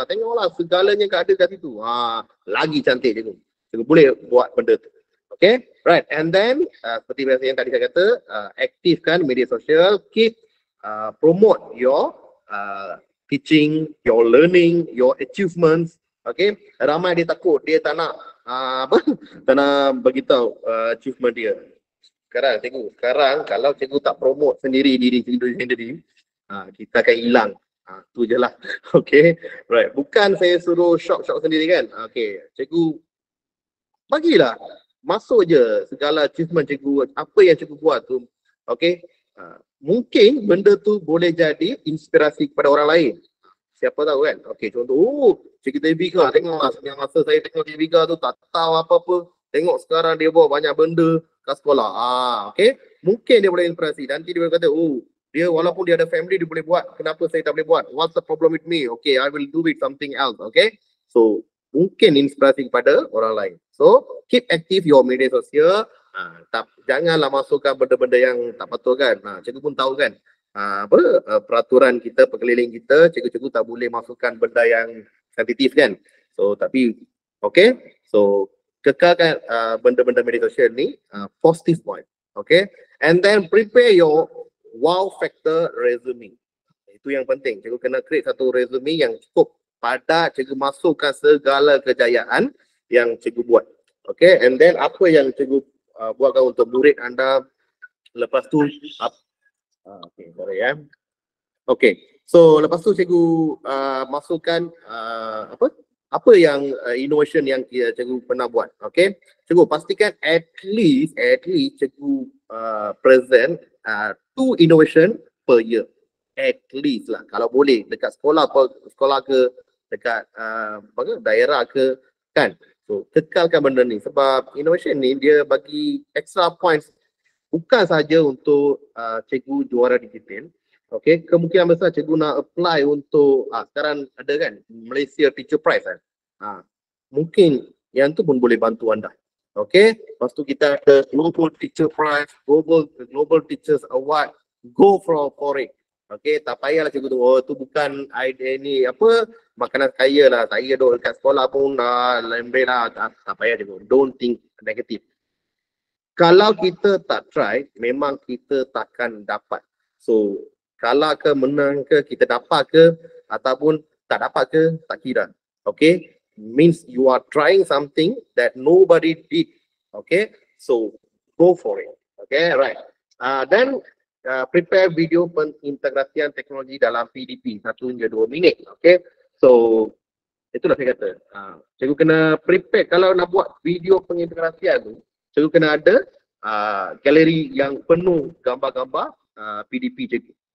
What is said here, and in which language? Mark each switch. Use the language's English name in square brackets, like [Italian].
[Malay] Tengoklah segalanya yang ada kat situ. Lagi cantik cikgu. Cikgu boleh buat benda tu. [English] Okay, right. And then [Malay] seperti biasa yang tadi saya kata, aktifkan media sosial. [English] Keep promote your teaching, your learning, your achievements. [Malay] Okay, ramai dia takut. Dia tak nak apa? Tak nak beritahu achievement dia. Sekarang cikgu, sekarang kalau cikgu tak promote sendiri diri cikgu sendiri, kita akan hilang. Tu je lah. Okay. Right. Bukan saya suruh shock-shock sendiri kan. Okay. Cikgu, bagilah. Masuk je segala achievement cikgu. Apa yang cikgu buat tu. Okay. Mungkin benda tu boleh jadi inspirasi kepada orang lain. Siapa tahu kan. Okay. Contoh. Cikgu Devika. Tengoklah. Yang masa saya tengok Devika tu tak tahu apa-apa. Tengok sekarang dia buat banyak benda kat sekolah. Okay. Mungkin dia boleh inspirasi. Nanti dia boleh kata, dia walaupun dia ada family, dia boleh buat. Kenapa saya tak boleh buat? [English] What's the problem with me? Okay, I will do it something else. Okay. So, [Malay] mungkin inspirasi kepada orang lain. [English] So, keep active your media sosial. [Malay] Janganlah masukkan benda-benda yang tak patut kan. Cikgu pun tahu kan. Peraturan kita, pekeliling kita, cikgu-cikgu tak boleh masukkan benda yang sensitif kan. So, tapi, okay. So, kekalkan benda-benda media sosial ni positive point. Okay. [English] And then prepare your wow factor resume. [Malay] Itu yang penting. Cikgu kena create satu resume yang cukup padat. Cikgu masukkan segala kejayaan yang cikgu buat. Okay. And then apa yang cikgu buatkan untuk murid anda. Lepas tu. Okay. Sorry ya. Okay. So lepas tu cikgu masukkan apa? Apa yang innovation yang cikgu pernah buat, okay? Cikgu pastikan at least cikgu [English] present two innovation per year. [Malay] At least lah, kalau boleh dekat sekolah ke, dekat daerah ke, kan? So, kekalkan benda ni sebab innovation ni dia bagi extra points bukan sahaja untuk cikgu juara digital. Okay, kemungkinan besar cikgu nak apply untuk sekarang ada kan Malaysia Teacher Prize kan? Mungkin yang tu pun boleh bantu anda. Okay, lepas tu kita ada Global Teacher Prize, Global Teachers Award, [English] go for it. [Malay] Okay, tak payahlah cikgu tu, tu bukan idea ni, apa, makanan kaya lah, saya duduk dekat sekolah pun lembek lah, tak payah cikgu, [English] don't think negative. [Malay] Kalau kita tak try, memang kita takkan dapat. So, kalah ke, menang ke, kita dapat ke, ataupun tak dapat ke, tak kira. [English] Okay, means you are trying something that nobody did. Okay, so go for it. Okay, right. Then [Malay] prepare video pengintegrasian teknologi dalam PDP 1 hingga 2 minit. Okay, so itulah saya kata. Cikgu kena prepare kalau nak buat video pengintegrasian tu, cikgu kena ada galeri yang penuh gambar-gambar PDP cikgu.